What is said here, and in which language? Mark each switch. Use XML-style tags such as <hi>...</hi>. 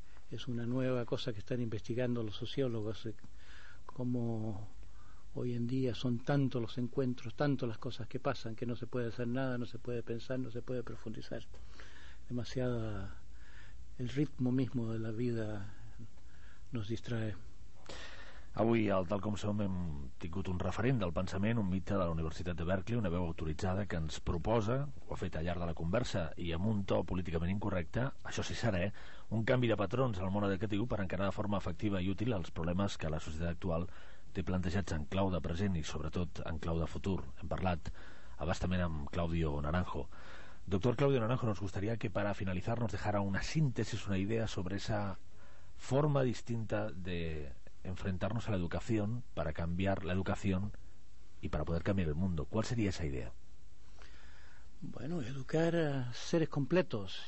<es>Es una nueva cosa que están investigando los sociólogos. Cómo hoy en día son tantos los encuentros, tantas las cosas que pasan, que no se puede hacer nada, no se puede pensar, no se puede profundizar. Demasiado el ritmo mismo de la vida nos distrae.</es> <ca>Avui, al Tal com som, hem tingut un referent del pensament, un mite de la Universitat de Berkeley, una veu autoritzada que ens proposa, ho ha fet al llarg de la conversa i amb un to políticament incorrecte, això sí serà, un canvi de patrons al món educatiu per encarar de forma efectiva i útil els problemes que la societat actual té plantejats en clau de present i, sobretot, en clau de futur. Hem parlat abastament amb Claudio Naranjo.</ca> <es>Doctor Claudio Naranjo, nos gustaría que, para finalizar, nos dejara una síntesis, una idea sobre esa forma distinta de enfrentarnos a la educación para cambiar la educación y para poder cambiar el mundo. ¿Cuál sería esa idea? Bueno, educar a seres completos.</es>